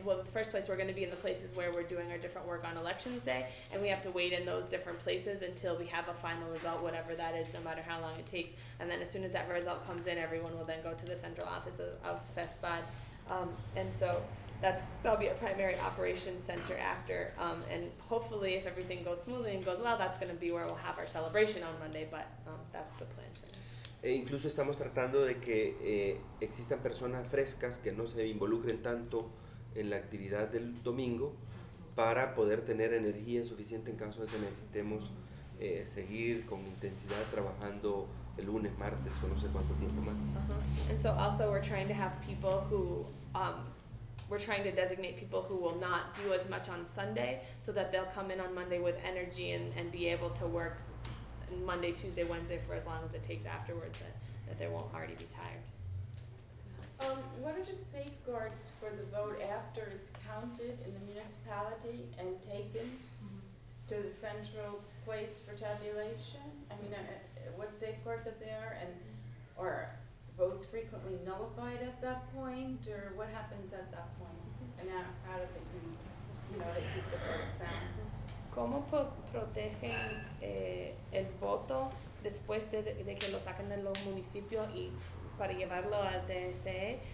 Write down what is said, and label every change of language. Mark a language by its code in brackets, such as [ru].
[en] Well, the first place we're going to be in the places where we're doing our different work on Elections Day, and we have to wait in those different places until we have a final result, whatever that is, no matter how long it takes. And then as soon as that result comes in, everyone will then go to the central office of FESPAD. And so that'll be our primary operations center after. And hopefully if everything goes smoothly and goes well, that's going to be where we'll have our celebration on Monday, but that's the plan. [es] E incluso estamos tratando de que existan personas frescas que no se involucren tanto en la actividad del domingo para poder tener energía suficiente en caso de que necesitemos seguir con intensidad trabajando el lunes, martes o no sé cuánto tiempo más. [en] And so also we're trying to have people who we're trying to designate people who will not do as much on Sunday so that they'll come in on Monday with energy and be able to work Monday, Tuesday, Wednesday, for as long as it takes afterwards, that they won't already be tired. What are the safeguards for the vote after it's counted in the municipality and taken to the central place for tabulation? I mean, what safeguards are there? And are votes frequently nullified at that point? Or what happens at that point? And how do they keep the votes out? [es] ¿Cómo protegen el voto después de que lo sacan de los municipios y para llevarlo al TSE?